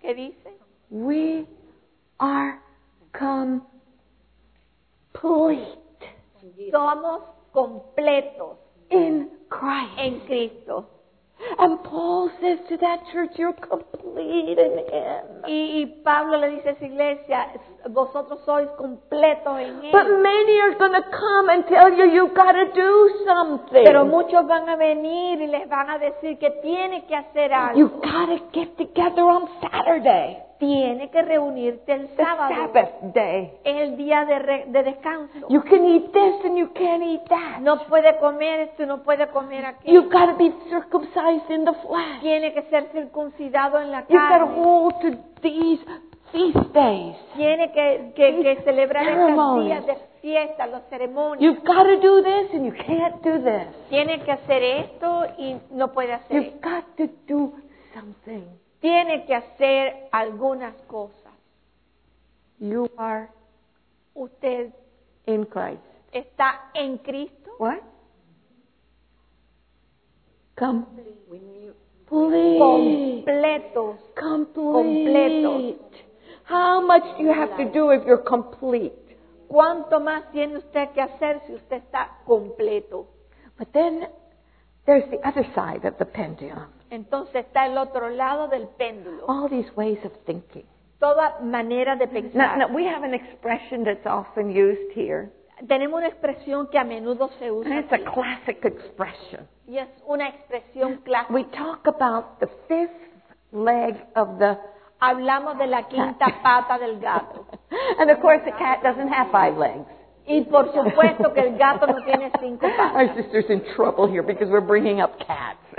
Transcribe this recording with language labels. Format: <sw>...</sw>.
<es>¿Qué dice?</es> <en>We are complete.</en> <es>Somos completos</es> <en>in Christ.</en> <es>En Cristo.</es> <en>And Paul says to that church, you're complete in Him.</en> <es>Y Pablo le dice a esa iglesia, vosotros sois completos en Él.</es> <en>But many are going to come and tell you, you've got to do something.</en> <es>Pero muchos van a venir y les van a decir que tiene que hacer algo.</es> <en>You've got to get together on Saturday.</en> <es>Tiene que reunirte el sábado.</es> <en>The Sabbath day.</en> <es>El día de descanso.</es> <en>You can eat this and you can't eat that.</en> <es>No puede comer esto, no puede comer aquello.</es> <en>You've got to be circumcised in the flesh.</en> <es>Tiene que ser circuncidado en la carne.</es> <en>You've got to hold to these feast days.</en> <es>Tiene que celebrar estos días de fiesta, los ceremonias.</es> <en>You've got to do this and you can't do this.</en> <es>Tiene que hacer esto y no puede hacer.</es> <en>You've got to do something.</en> <es>Tiene que hacer algunas cosas.</es> <en>You are</en> <es>usted</es> <en>in Christ.</en> <es>Está en Cristo.</es> <en>What? Complete.</en> <es>Completos.</es> <en>Complete. How much do you have to do if you're complete?</en> <es>¿Cuánto más tiene usted que hacer si usted está completo?</es> <en>But then there's the other side of the pendulum.</en> <es>Entonces está el otro lado del péndulo.</es> <en>All these ways of thinking.</en> <es>Toda manera de pensar.</es> <en>Now, we have an expression that's often used here.</en> <es>Tenemos una expresión que a menudo se usa.</es> <en>And it's a classic expression.</en> <es>Y es una expresión clásica.</es> <en>We talk about the fifth leg of the</en> <es>hablamos de la quinta pata del gato.</es> <en>And of course the cat doesn't have 5 legs.</en> <es>Y por supuesto que el gato no tiene 5 patas.</es> <en>Our sister's in trouble here because we're bringing up cats.</en>